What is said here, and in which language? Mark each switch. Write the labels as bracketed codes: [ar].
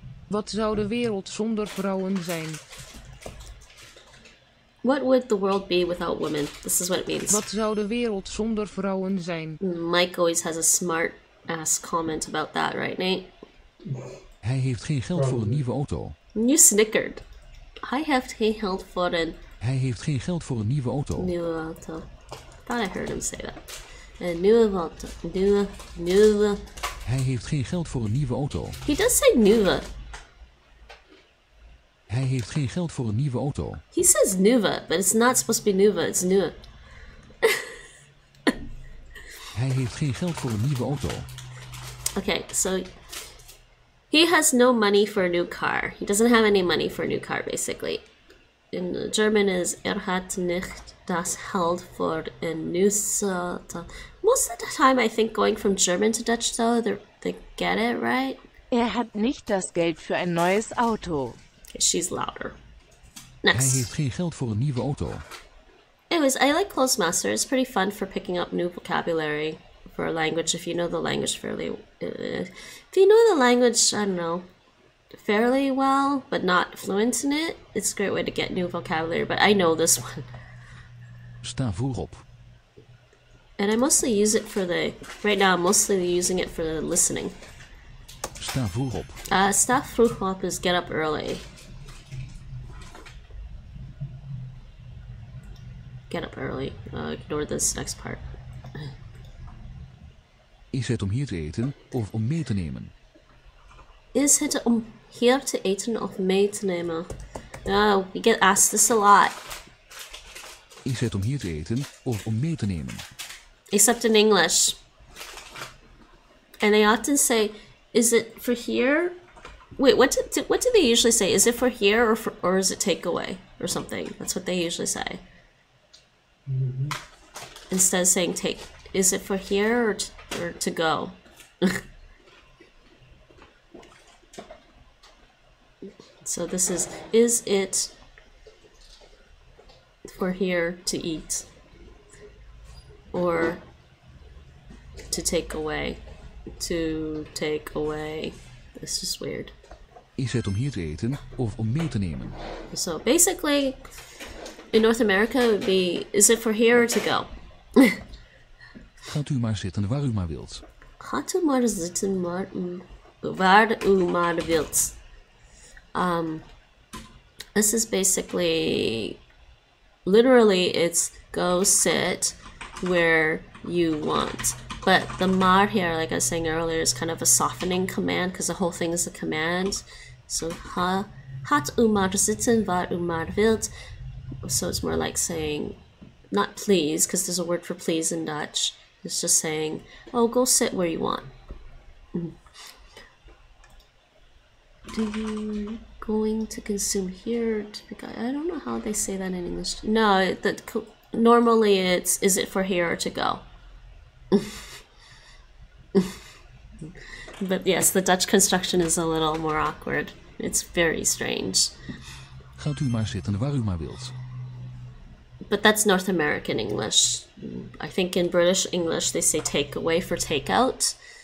[nl] Wat zou de wereld zonder vrouwen zijn? [en] What would the world be without women? This is what it means. [nl] Wat zou de wereld zonder vrouwen zijn? [en] Mike always has a smart ass comment about that, right, Nate? [nl] Hij heeft geen geld voor een [en] Probably. [nl] nieuwe auto. [en] You snickered. I have to held for an [nl] Hij heeft geen geld voor een nieuwe auto. nieuwe auto. [en] Thought I heard him say that. [nl] Een nieuwe auto. Nieuwe. Hij heeft geen geld voor een nieuwe auto. [en] He does say nieuwe. [nl] Hij heeft geen geld voor een nieuwe auto. [en] He says nieuwe, but it's not supposed to be nieuwe, it's nieuwe. [nl] Hij heeft geen geld voor een nieuwe auto. [en] Okay, so he has no money for a new car. He doesn't have any money for a new car, basically. In German is [de] hat nicht das Geld für ein neues Auto. [en] Most of the time, I think going from German to Dutch, though, they get it right. [de] Hat nicht das Geld für ein neues Auto. [en] She's louder. [nl] Hij [en] Next. [nl] heeft geen geld voor een nieuwe auto. [en] Anyways, I like Clozemaster. It's pretty fun for picking up new vocabulary for a language if you know the language fairly. If you know the language, I don't know, fairly well, but not fluent in it, it's a great way to get new vocabulary. But I know this one. [nl] Sta voor op. [en] And I mostly use it for the. Right now, I'm mostly using it for the listening. [nl] Sta voor op. Sta vroeg op [en] is get up early. Get up early. Ignore this next part. [nl] Is het om hier te eten of om mee te nemen? Is het om hier te eten of mee te nemen? [en] Oh, we get asked this a lot. [nl] Is het om hier te eten of om mee te nemen? [en] Except in English. And they often say, is it for here? Wait, what do they usually say? Is it for here or is it takeaway or something? That's what they usually say. Instead of saying take, is it for here or to go? So this is it for here to eat or to take away? To take away. This is weird. [nl] Is het om hier te eten of om mee te nemen? [en] So basically, in North America, it would be, is it for here or to go? [nl] Gaat u maar zitten waar u maar wilt. Gaat u maar zitten waar u maar wilt. [en] This is basically, literally, it's go sit where you want. But the mar here, like I was saying earlier, is kind of a softening command because the whole thing is a command. [nl] So ha, hat u maar zitten waar u maar wilt. [en] So it's more like saying, not please, because there's a word for please in Dutch. It's just saying, oh, go sit where you want. Do you going to consume here? I don't know how they say that in English. No, normally it's, is it for here or to go? But yes, the Dutch construction is a little more awkward. It's very strange. [nl] Gaat u maar zitten waar u maar wilt. [en] But that's North American English. I think in British English they say take away for take out.